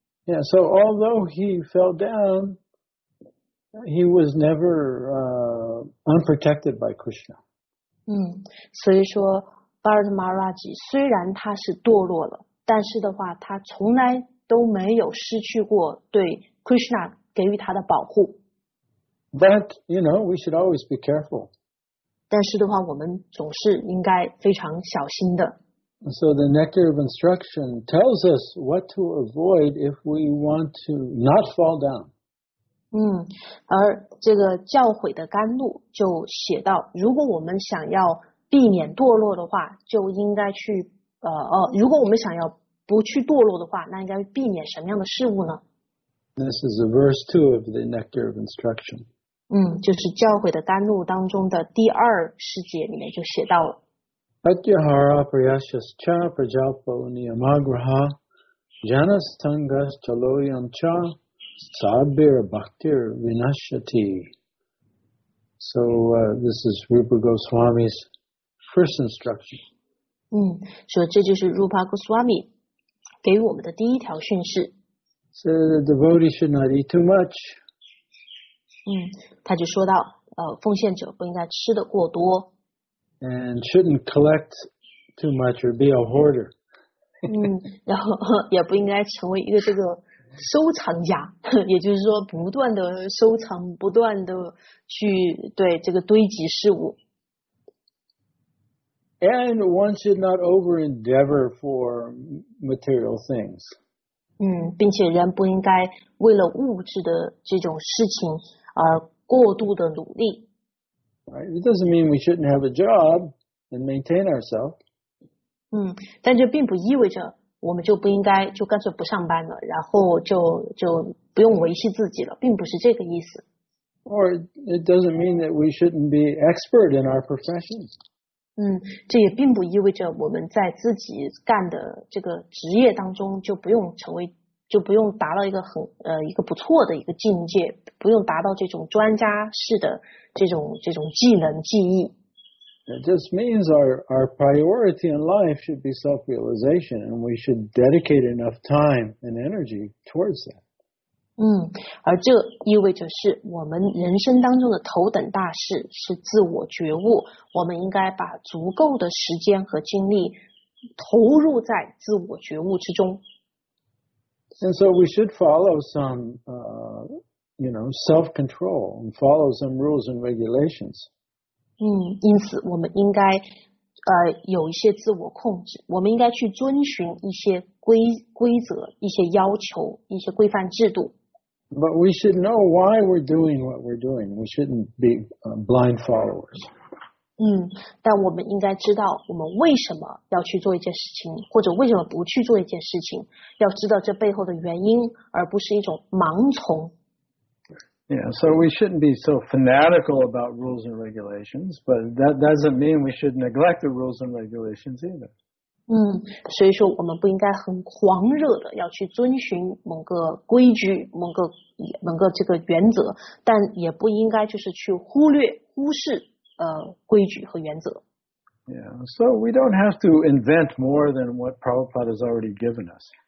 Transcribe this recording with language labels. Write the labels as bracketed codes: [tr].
[en] Yeah, so although he fell down, he was never unprotected by Krishna. [zh] 所以说 Bharat Maharaj 虽然他是堕落了，但是的话他从来都没有失去过对 Krishna给予他的保护。 [en] But, you know, we should always be careful. [zh] 但是的话我们总是应该非常小心的。 [en] So the nectar of instruction tells us what to avoid if we want to not fall down. [zh] 而这个教诲的甘露就写到，如果我们想要避免堕落的话，就应该去如果我们想要不去堕落的话，那应该避免什么样的事物呢？ [en] This is a verse 2 of the Nectar of Instruction. [zh] 就是教诲的甘露当中的第二诗节里面就写到了。 [sa] Atyahara Priyashascha Prajapo Niyamagraha Janastangas Chaloyamcha Sabir Bhaktir Vinashati. [en] So, this is Rupa Goswami's first instruction. [zh] 所以这就是 Rupa Goswami 给我们的第一条训示。 [en] So the devotee should not eat too much. [zh] 他就说到奉献者不应该吃得过多。 [en] And shouldn't collect too much or be a hoarder. [zh] 然后也不应该成为一个这个收藏家，也就是说不断的收藏，不断的去对这个堆积事物。 [en] And one should not over endeavor for material things. [zh] 并且人不应该为了物质的这种事情而过度的努力。 [en] Right. It doesn't mean we shouldn't have a job and maintain ourselves. [zh] 但这并不意味着我们就不应该就干脆不上班了，然后就不用维系自己了，并不是这个意思。 [en] Or it doesn't mean that we shouldn't be expert in our profession. [zh] 这也并不意味着我们在自己干的这个职业当中就不用成为，就不用达到一个很一个不错的一个境界，不用达到这种专家式的这种技能技艺。 [en] It just means our priority in life should be self-realization, and we should dedicate enough time and energy towards that. [zh] 而这意味着是我们人生当中的头等大事是自我觉悟，我们应该把足够的时间和精力投入在自我觉悟之中。 [en] And so we should follow some, self-control and follow some rules and regulations. [zh] 因此我们应该有一些自我控制，我们应该去遵循一些规则、一些要求、一些规范制度。 [en] But we should know why we're doing what we're doing. We shouldn't be blind followers. [zh] 但我们应该知道我们为什么要去做一件事情，或者为什么不去做一件事情，要知道这背后的原因，而不是一种盲从。 [en] Yeah, so we shouldn't be so fanatical about rules and regulations, but that doesn't mean we should neglect the rules and regulations either. [zh] 所以说我们不应该很狂热的要去遵循某个规矩、某个这个原则，但也不应该就是去忽略、忽视规矩和原则。 [en] Yeah, so we don't have to invent more than what Prabhupada has already given us.